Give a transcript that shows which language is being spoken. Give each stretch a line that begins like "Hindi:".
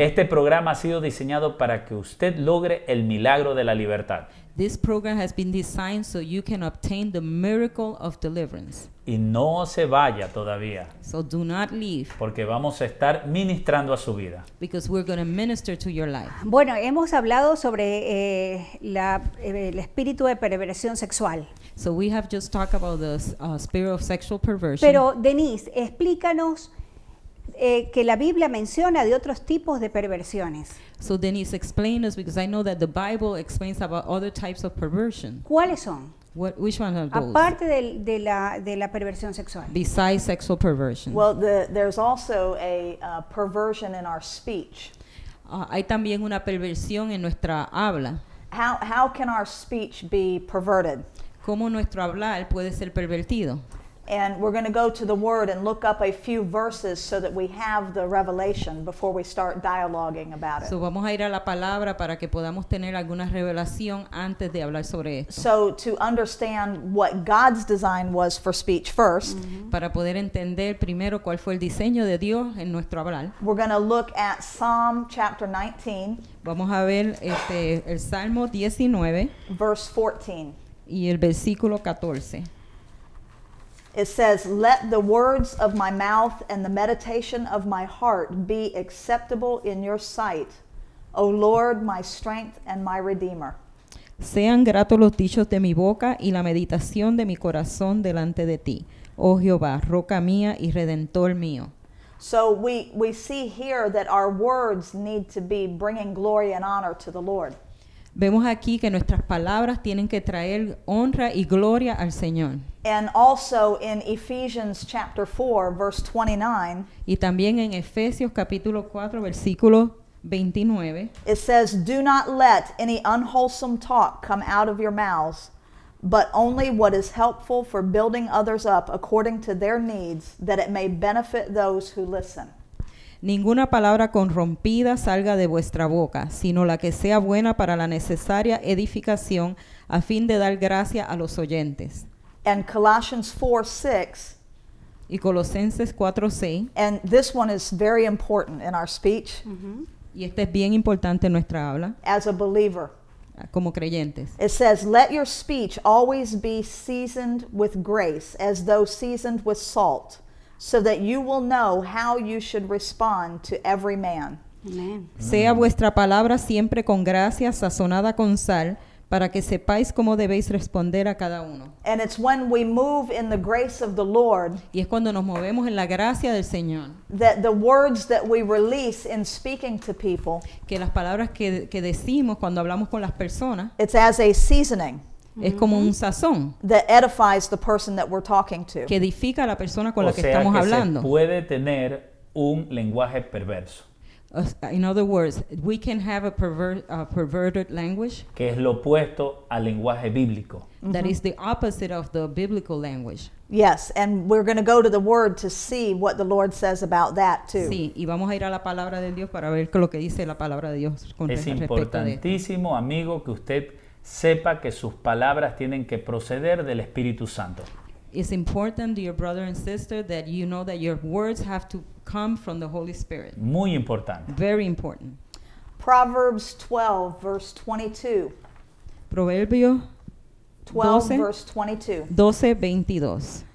Spanish: Este programa ha sido diseñado para que usted logre el milagro de la libertad.
English: This program has been designed so you can obtain the miracle of deliverance.
Spanish: Y no se vaya todavía.
English: So do not leave.
Spanish: Porque vamos a estar ministrando a su vida.
English: Because we're going to minister to your life.
Spanish: Bueno, hemos hablado sobre el espíritu de perversión sexual.
English: So we have just talked about the spirit of sexual perversion.
Spanish: Pero Denise, explícanos que la Biblia menciona de otros tipos de perversiones.
English: So Denise, explain us because I know that the Bible explains about other types of perversion.
Spanish: ¿Cuáles son?
English: Which one of those?
Spanish: Aparte de la perversión sexual.
English: Besides sexual perversion. Well, there's also a perversion in our speech.
Spanish: Hay también una perversión en nuestra habla.
English: How can our speech be perverted?
Spanish: ¿Cómo nuestro hablar puede ser pervertido?
English: And we're going to go to the Word and look up a few verses so that we have the revelation before we start dialoguing about it.
Spanish: So vamos a ir a la palabra para que podamos tener alguna revelación antes de hablar sobre esto.
English: So to understand what God's design was for speech first. Mm-hmm.
Spanish: Para poder entender primero cuál fue el diseño de Dios en nuestro hablar.
English: We're going to look at Psalm chapter 19.
Spanish: Vamos a ver el Salmo 19.
English: Verse 14.
Spanish: Y el versículo 14.
English: It says, let the words of my mouth and the meditation of my heart be acceptable in your sight, O Lord, my strength and my redeemer.
Spanish: Sean gratos los dichos de mi boca y la meditación de mi corazón delante de ti, oh Jehová, roca mía y redentor mío.
English: So we see here that our words need to be bringing glory and honor to the Lord.
Spanish: Vemos aquí que nuestras palabras tienen que traer honra y gloria al Señor.
English: And also in Ephesians chapter 4, verse 29.
Spanish: Y también en Efesios capítulo 4, versículo 29.
English: It says, do not let any unwholesome talk come out of your mouths, but only what is helpful for building others up according to their needs, that it may benefit those who listen.
Spanish: Ninguna palabra corrompida salga de vuestra boca, sino la que sea buena para la necesaria edificación a fin de dar gracia a los oyentes.
English: And Colossians 4:6,
Spanish: Y Colosenses 4:6.
English: And this one is very important in our speech. Mm-hmm.
Spanish: Y este es bien importante en nuestra habla.
English: As a believer.
Spanish: Como creyentes.
English: It says, let your speech always be seasoned with grace, as though seasoned with salt, so that you will know how you should respond to every man. Amen.
Spanish: Sea vuestra palabra siempre con gracia, sazonada con sal, para que sepáis cómo debéis responder a cada uno.
English: And it's when we move in the grace of the Lord.
Spanish: Y es cuando nos movemos en la gracia del Señor.
English: That the words that we release in speaking to people.
Spanish: Que las palabras que decimos cuando hablamos con las personas.
English: It's as a seasoning.
Spanish: Es como un sazón.
English: That edifies the person that we're talking to.
Spanish: Que edifica a la persona con o la que estamos que hablando. O sea, que se puede tener un lenguaje perverso.
English: In other words, we can have a perverted language.
Spanish: Que es lo opuesto al lenguaje bíblico. Mm-hmm.
English: That is the opposite of the biblical language. Yes, and we're going to go to the Word to see what the Lord says about that too.
Spanish: Sí, y vamos a ir a la palabra de Dios para ver lo que dice la palabra de Dios con respecto a esto. Es importantísimo, amigo, que usted sepa que sus palabras tienen que proceder del Espíritu Santo.
English: It's important, dear brother and sister, that you know that your words have to come from the Holy Spirit.
Spanish: Muy importante.
English: Very important. Proverbs 12, verse 22.
Spanish: Proverbio
English: 12, verse 22. 12:22.